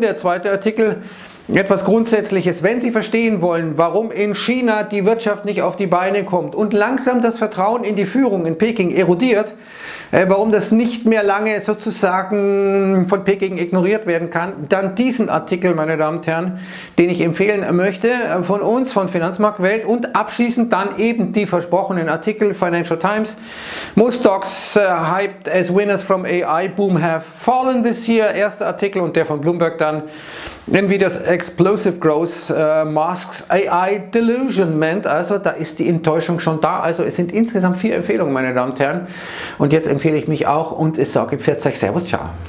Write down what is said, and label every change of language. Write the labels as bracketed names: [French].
[German] Der zweite Artikel, etwas Grundsätzliches. Wenn Sie verstehen wollen, warum in China die Wirtschaft nicht auf die Beine kommt und langsam das Vertrauen in die Führung in Peking erodiert, warum das nicht mehr lange sozusagen von Peking ignoriert werden kann, dann diesen Artikel, meine Damen und Herren, den ich empfehlen möchte von uns, von Finanzmarktwelt und abschließend dann eben die versprochenen Artikel Financial Times. [English] Most stocks hyped as winners from AI boom have fallen this year. [German] Erster Artikel und der von Bloomberg dann. [English] Nvidia's explosive growth masks AI delusionment. [German] Also da ist die Enttäuschung schon da. Also es sind insgesamt 4 Empfehlungen, meine Damen und Herren. Und jetzt empfehle ich mich auch und ich sage 40 Servus, ciao.